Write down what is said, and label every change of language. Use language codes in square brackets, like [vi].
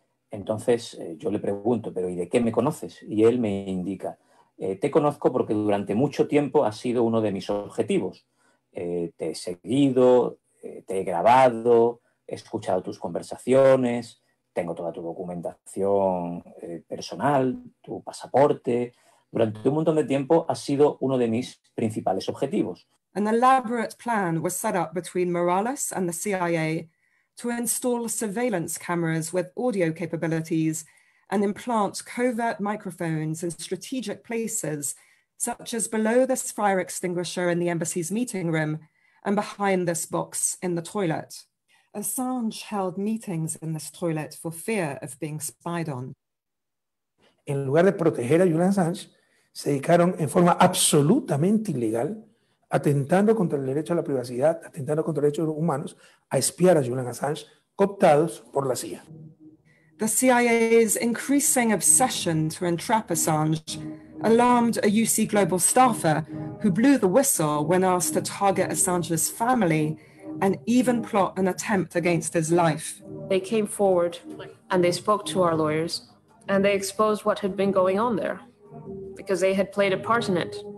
[es] Entonces yo le pregunto, pero ¿y de qué me conoces? Y él me indica, te conozco porque durante mucho tiempo has sido uno de mis objetivos. Te he seguido, te he grabado, he escuchado tus conversaciones, tengo toda tu documentación personal, tu pasaporte. Durante un montón de tiempo has sido uno de mis principales objetivos. [en] An elaborate plan was set up between Morales and the CIA to install surveillance cameras with audio capabilities and implant covert microphones in strategic places, such as below this fire extinguisher in the embassy's meeting room and behind this box in the toilet. Assange held meetings in this toilet for fear of being spied on. [es] En lugar de proteger a Julian Assange, se dedicaron en forma absolutamente ilegal, atentando contra el derecho a la privacidad, atentando contra derechos humanos, a espiar a Julian Assange, cooptados por la CIA. [en] The CIA's increasing obsession to entrap Assange alarmed a UC Global staffer who blew the whistle when asked to target Assange's family and even plot an attempt against his life. They came forward and they spoke to our lawyers and they exposed what had been going on there because they had played a part in it.